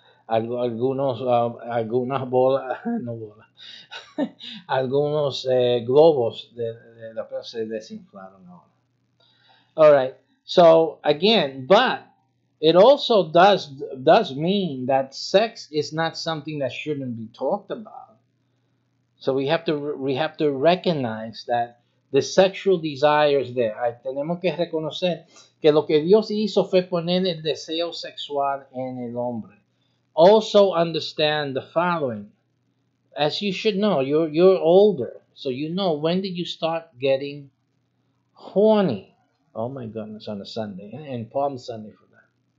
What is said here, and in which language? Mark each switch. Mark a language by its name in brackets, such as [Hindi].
[Spanish] Algunos globos de la plaza se desinflaron. [English] All right. So again, but it also does mean that sex is not something that shouldn't be talked about. So we have to recognize that the sexual desires there. [Spanish] Tenemos que reconocer que lo que Dios hizo fue poner el deseo sexual en el hombre. [English] Also understand the following. As you should know, you're older, so you know, when did you start getting horny? Oh my goodness, on a Sunday, and Palm Sunday for that.